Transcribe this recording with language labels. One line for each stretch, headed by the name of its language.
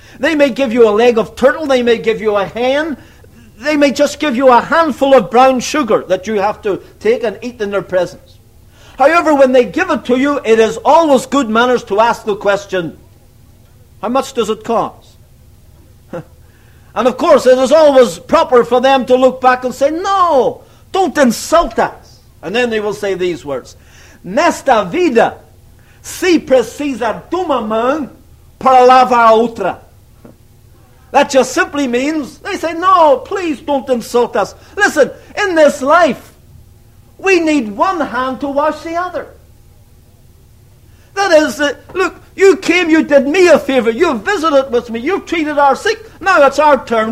English: They may give you a leg of turtle, they may give you a hen, they may just give you a handful of brown sugar that you have to take and eat in their presence. However, when they give it to you, it is always good manners to ask the question, how much does it cost? And of course, it is always proper for them to look back and say, no, don't insult us. And then they will say these words,
Portuguese: nesta vida se precisa de uma mão para lavar a outra.
English: That just simply means, they say, no, please don't insult us. Listen, in this life, we need one hand to wash the other. That is, look, you came, you did me a favor. You visited with me. You treated our sick. Now it's our turn.